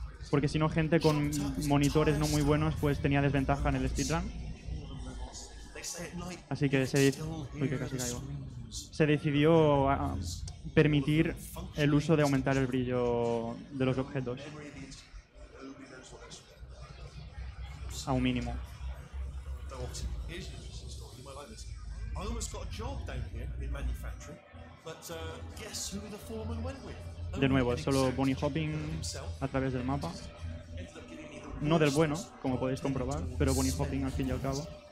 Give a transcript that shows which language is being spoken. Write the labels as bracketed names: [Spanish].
[Spanish] Porque si no, gente con monitores no muy buenos pues tenía desventaja en el speedrun. Así que se decidió a permitir el uso de aumentar el brillo de los objetos a un mínimo. [English] I almost got a job down here in manufacturing, but guess who the foreman went with? [Spanish] De nuevo, solo bunny hopping a través del mapa. No del bueno, como podéis comprobar, pero bunny hopping al fin y al cabo.